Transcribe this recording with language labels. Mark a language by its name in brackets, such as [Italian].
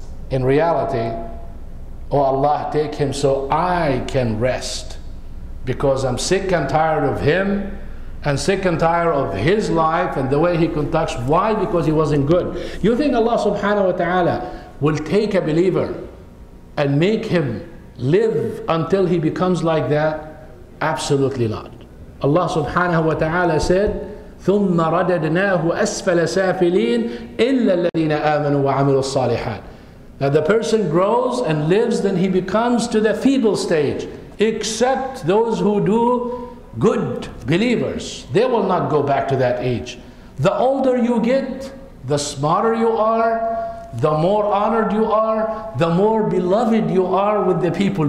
[English] In reality, oh Allah, take him so I can rest, because I'm sick and tired of him, and sick and tired of his life and the way he conducts. Why? Because he wasn't good. You think Allah subhanahu wa ta'ala will take a believer and make him live until he becomes like that? Absolutely not. Allah subhanahu wa ta'ala said, [Arabic] ثُمَّ رَدَدْنَاهُ أَسْفَلَ سَافِلِينَ إِلَّا الَّذِينَ آمَنُوا وَعَمِلُوا الصَّالِحَاتِ. [English] Now the person grows and lives, then he becomes to the feeble stage, except those who do good, believers. They will not go back to that age. The older you get, the smarter you are, the more honored you are, the more beloved you are with the people.